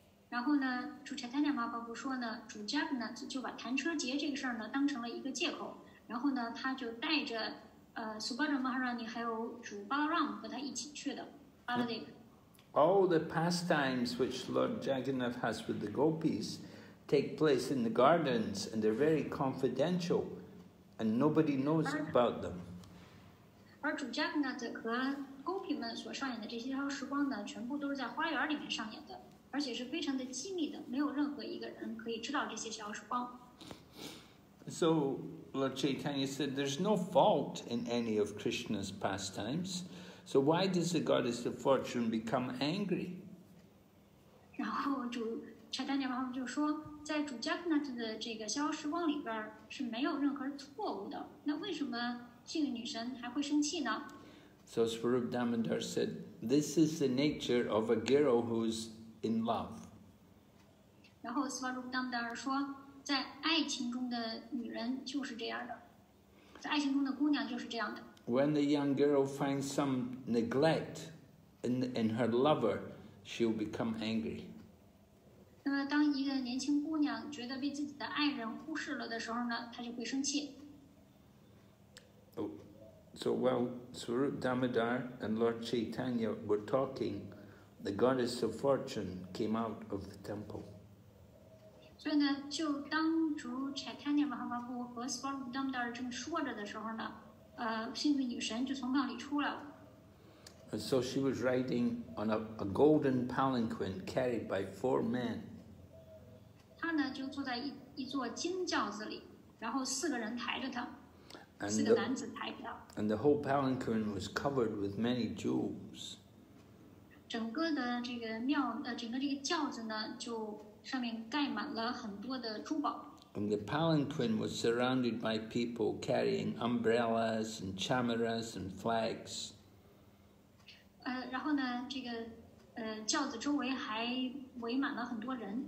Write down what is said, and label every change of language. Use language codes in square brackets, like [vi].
[zh] 然后呢，主 Chaitanya Mahaprabhu 说呢，主 Jagannath 就把弹车节这个事儿呢当成了一个借口，然后呢，他就带着Subhadra Maharani 还有主 Balaram 和他一起去的。 [en] All the pastimes which Lord Jagannath has with the gopis take place in the gardens, and they're very confidential. And nobody knows about them. [zh] 而主 Jagannath 和 Gopi 们所上演的这些逍遥时光呢，全部都是在花园里面上演的，而且是非常的机密的，没有任何一个人可以知道这些逍遥时光。 [en] So Lord Chaitanya said, "There's no fault in any of Krishna's pastimes. So why does the goddess of fortune become angry?" [zh] 然后主 Chaitanya Mahaprabhu 就说。在主 Jagannath 的这个逍遥时光里边是没有任何错误的，那为什么幸运女神还会生气呢 [en] ？So Swarup Damodar said, "This is the nature of a girl who's in love." [zh] 然后 Swarup Damodar 说，在爱情中的女人就是这样的，在爱情中的姑娘就是这样的。 [en] When the young girl finds some neglect in her lover, she'll become angry. [zh] 那么当一个年轻姑娘觉得被自己的爱人忽视了的时候呢，她就会生气。 [en] So while Swarup Damodar and Lord Chaitanya were talking, the goddess of fortune came out of the temple. [zh] 所以呢，就当主 Chaitanya Mahaprabhu 和 Swarup Damodar 正说着的时候呢，幸运女神就从庙里出来了。 [en] And so she was riding on a golden palanquin carried by four men. [zh] 她呢就坐在一座金轿子里，然后四个人抬着她，四个男子抬着她。 [en] And the whole palanquin was covered with many jewels. [zh] 整个的这个庙整个这个轿子呢，就上面盖满了很多的珠宝。 [en] And the palanquin was surrounded by people carrying umbrellas and chamaras and flags. [zh] 然后呢，这个轿子周围还围满了很多人。